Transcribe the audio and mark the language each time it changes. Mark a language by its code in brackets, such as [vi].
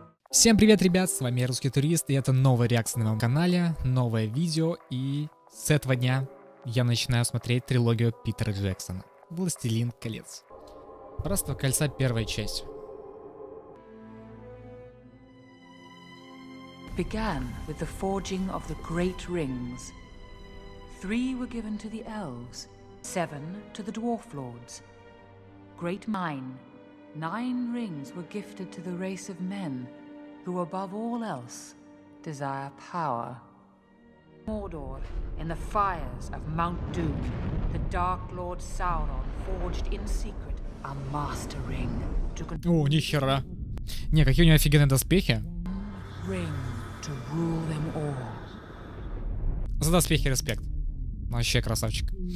[ru] Всем привет, ребят, с вами Русский Турист, и это новая реакция на моем канале, новое видео, и с этого дня я начинаю смотреть трилогию Питера Джексона «Властелин колец». «Братство кольца», первая часть. [en] Began with the forging of the great rings. Three were given to the elves, seven to the dwarf lords. Great mine. Nine rings were gifted to the race of men. Who above all else desire power. Mordor, in the fires of Mount Doom, the Dark Lord Sauron forged in secret a master ring to control. [ru] О, нихера. Не, какие у него офигенные доспехи? [en] Ring to rule them all. [ru] За доспехи респект. Вообще красавчик.